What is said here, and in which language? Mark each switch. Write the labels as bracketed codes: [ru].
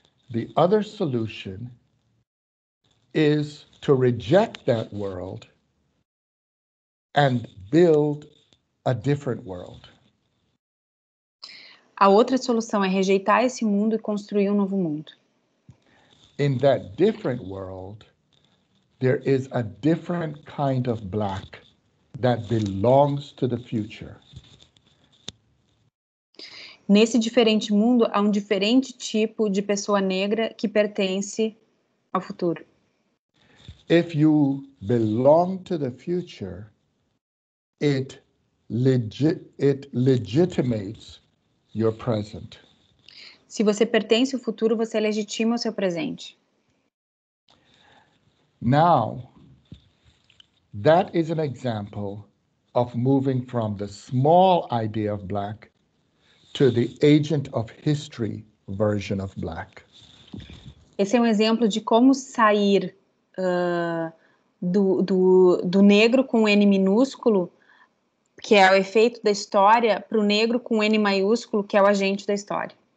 [en] The other solution is to reject that world and build a different world. [pt] A outra solução é rejeitar esse mundo e construir novo mundo. [en] In that different world, there is a different kind of black that belongs to the future. [pt] Nesse diferente mundo, há diferente tipo de pessoa negra que pertence ao futuro. [en] If you belong to the future, it legitimates your present. [pt] Se você pertence ao futuro, você legitima o seu presente. [en] Now, that is an example of moving from the small idea of black to the agent of history version of Black. [pt] Esse é um exemplo de como sair do negro com N minúsculo, que é o efeito da história, para o negro com N maiúsculo, que é o agente da história.